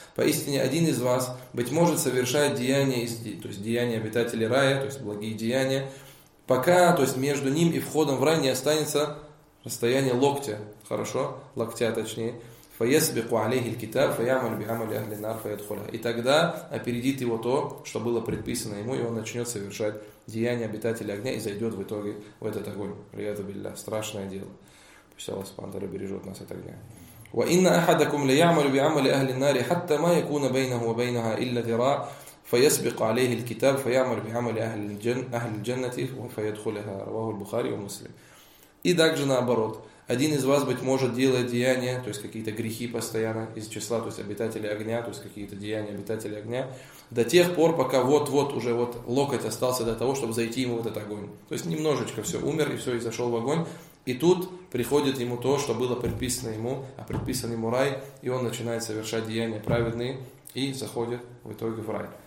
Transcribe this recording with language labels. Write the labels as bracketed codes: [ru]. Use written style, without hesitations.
[ru] Поистине один из вас, быть может, совершает деяния, то есть деяния обитателей рая, то есть благие деяния, пока, то есть между ним и входом в рай не останется расстояние локтя, хорошо, локтя точнее. [ar] فَيَسْبِقُ عَلَيْهِ الْكِتَابُ فَيَعْمَلُ بِعَمَلِ أَهْلِ النَّارِ فَيَدْخُلَهَا. [ru] И тогда опередит его то, что было предписано ему, и он начнет совершать деяния обитателя огня и зайдет в итоге в этот огонь. Приятно билля, страшное дело. Пусть Аллах субхана ва тааля бережет нас от огня. [ar] وَإِنَّ أَحَدَكُمْ لَيَعْمَلُ بِعَمَلِ أَهْلِ النَّارِ حَتَّى مَا يَكُونَ بَيْنَهُ وَبَيْنَهَا إِلَّا ذِرَاعٌ فيسبق عليه الكتاب فيعمل بعمل أهل الجنة فيدخلها. رواه البخاري ومسلم. [ru] И также наоборот, один из вас, быть может, делает деяния, то есть какие-то грехи постоянно из числа, то есть обитателей огня, то есть какие-то деяния обитателей огня, до тех пор, пока вот-вот уже вот локоть остался до того, чтобы зайти ему в этот огонь. То есть немножечко все умер и все, и зашел в огонь. И тут приходит ему то, что было предписано ему, а предписан ему рай, и он начинает совершать деяния праведные и заходит в итоге в рай.